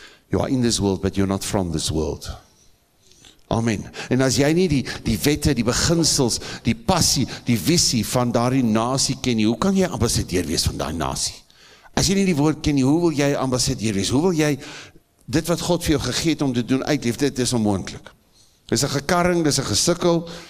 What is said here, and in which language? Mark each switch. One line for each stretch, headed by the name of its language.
English: You are in this world, but you're not from this world.
Afrikaans: Amen. En as jy nie die wette, die beginsels, die passie, die visie van daardie nasie ken nie, hoe kan jy ambassadeur wees van daardie nasie? As jy nie die woord ken nie, hoe wil jy ambassadeur wees? Hoe wil jy dit wat God vir jou gegeet om te doen uitleef? Dit is onmoontlik. Dit is een gekarring, dit is een gesukkel.